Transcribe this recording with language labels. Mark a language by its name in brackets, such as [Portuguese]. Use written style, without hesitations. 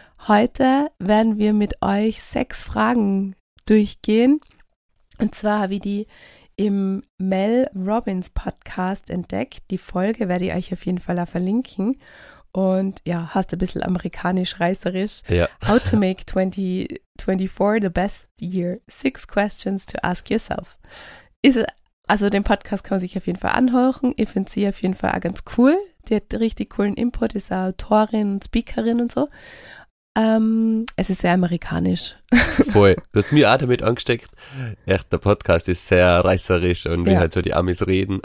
[German] Heute werden wir mit euch 6 Fragen durchgehen. Und zwar habe ich die im Mel Robbins Podcast entdeckt. Die Folge werde ich euch auf jeden Fall auch verlinken. Und ja, hast ein bisschen amerikanisch reißerisch. Ja. [English] How to make 2024 the best year. 6 questions to ask yourself. [German] Also den Podcast kann man sich auf jeden Fall anhören. Ich finde sie auf jeden Fall auch ganz cool. Die hat richtig coolen Input, ist auch Autorin und Speakerin und so. Es ist sehr amerikanisch. Voll. Du hast mich auch damit angesteckt. Echt, der Podcast ist sehr reißerisch und wie halt so die Amis reden.